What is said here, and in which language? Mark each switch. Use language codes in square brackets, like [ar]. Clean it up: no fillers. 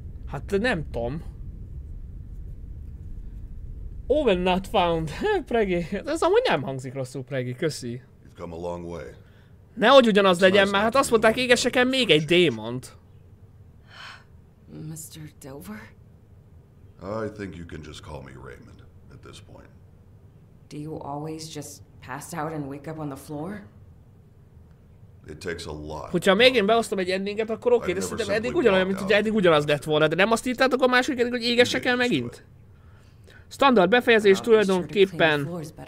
[hu] Hát nem tudom. [en] Owen not found. Preggy. [hu] Ez amúgy nem hangzik rosszul, [en] Preggy. [hu] Köszi. [en] You've come a long way. [hu] Nehogy ugyanaz legyen már, hát azt mondták, égessek el még egy démont. [en] Mr. Dover? I think you can just call me Raymond at this point. Do you always just pass out and wake up on the floor? It takes a lot. [hu] Hogyha még én beosztom egy endinget, akkor oké, de szerintem eddig ugyanolyan, mint hogy eddig ugyanaz lett volna, de nem azt írtátok a másik eddig, hogy égessek el megint? Standard befejezés tulajdonképpen...